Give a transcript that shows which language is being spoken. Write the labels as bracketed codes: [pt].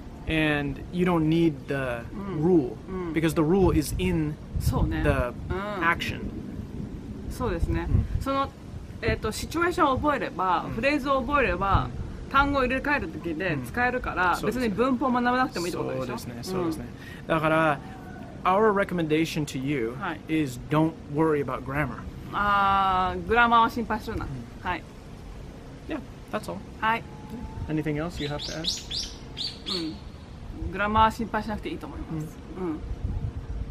[en] And you don't need the rule, because the rule is in the action. [ja] そうですね。その、シチュエーションを覚えれば、フレーズを覚えれば、単語を入れ替える時で使えるから、別に文法を学ばなくてもいいってことでしょ。そうですね、そうですね。だから、 [en] our recommendation to you is don't worry about grammar. [ja] グラマーは心配するな。はい。 [en] Yeah, that's all. [ja] はい。 [en] Anything else you have to add? [ja] グラマーは心配しなくていいと思います。